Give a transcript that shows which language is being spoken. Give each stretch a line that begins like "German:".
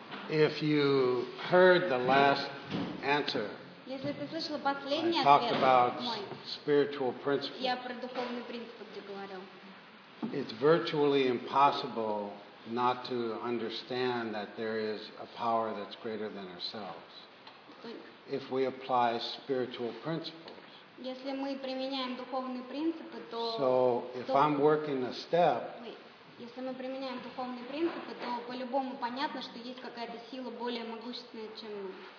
English: If you heard the last answer,
Russian: если ты слышала последний ответ,
English: I talked about spiritual principles.
Russian: Я про духовные принципы где говорил.
English: It's virtually impossible not to understand that there is a power that's greater than ourselves. If we apply spiritual principles.
Russian: Если мы применяем духовные принципы, то
English: So if I'm working a step,
Russian: если мы применяем духовные принципы, то по-любому понятно, что есть какая-то сила более могущественная, чем мы.